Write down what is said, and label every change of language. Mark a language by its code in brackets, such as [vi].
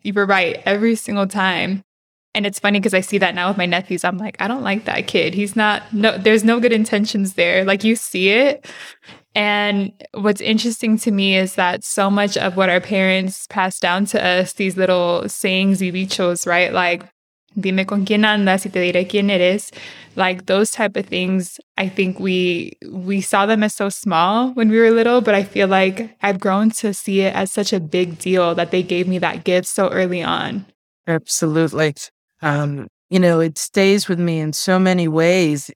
[en] You were right every single time. And it's funny because I see that now with my nephews. I'm like, I don't like that kid. There's no good intentions there. Like, you see it. And what's interesting to me is that so much of what our parents passed down to us, these little sayings, dichos, right? [es] Like, dime con quién andas y te diré quién eres. [en] Like those type of things, I think we saw them as so small when we were little, but I feel like I've grown to see it as such a big deal that they gave me that gift so early on. Absolutely. You know, it stays with me in so many ways.